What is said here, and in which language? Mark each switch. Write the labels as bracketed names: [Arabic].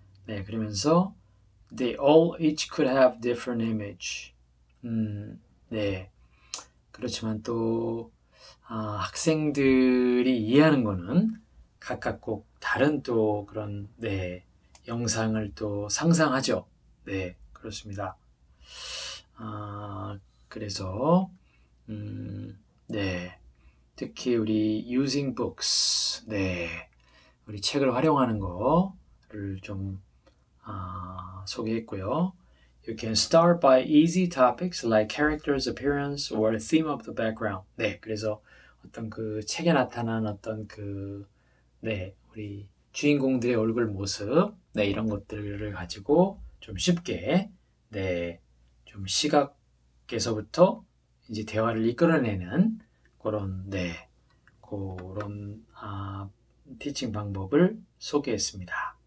[Korean] 네, 그러면서 [English] they all each could have different image. [Korean] 네, 그렇지만 또 학생들이 이해하는 거는 각각 꼭 다른 또 그런 네 영상을 또 상상하죠. 네, 그렇습니다. 그래서 네. 특히 우리 [English] using books. [Korean] 네. 우리 책을 활용하는 거를 좀 소개했고요. [English] You can start by easy topics like characters appearance or theme of the background. [Korean] 네. 그래서 어떤 그 책에 나타난 어떤 그 네. 우리 주인공들의 얼굴 모습. 네. 이런 것들을 가지고 좀 쉽게 네. 좀 시각에서부터 이제 대화를 이끌어내는 그런, 네, 그런, 티칭 방법을 소개했습니다.